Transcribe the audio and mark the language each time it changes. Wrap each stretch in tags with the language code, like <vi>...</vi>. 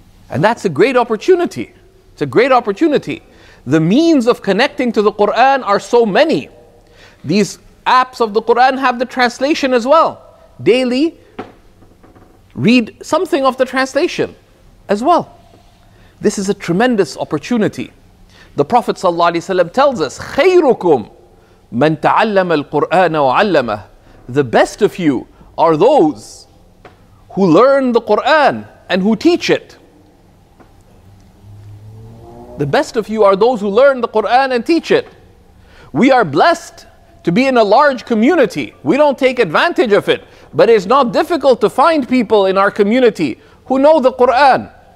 <en>And that's a great opportunity. It's a great opportunity. The means of connecting to the Quran are so many. These apps of the Quran have the translation as well. Daily, read something of the translation as well. This is a tremendous opportunity. The Prophet ﷺ tells us,</en> <ar>خَيْرُكُمْ مَنْ تَعَلَّمَ الْقُرْآنَ وَعَلَّمَهُ.</ar> <en>The best of you are those who learn the Quran and who teach it. The best of you are those who learn the Quran and teach it. We are blessed to be in a large community. We don't take advantage of it, but it's not difficult to find people in our community who know the Quran.</en>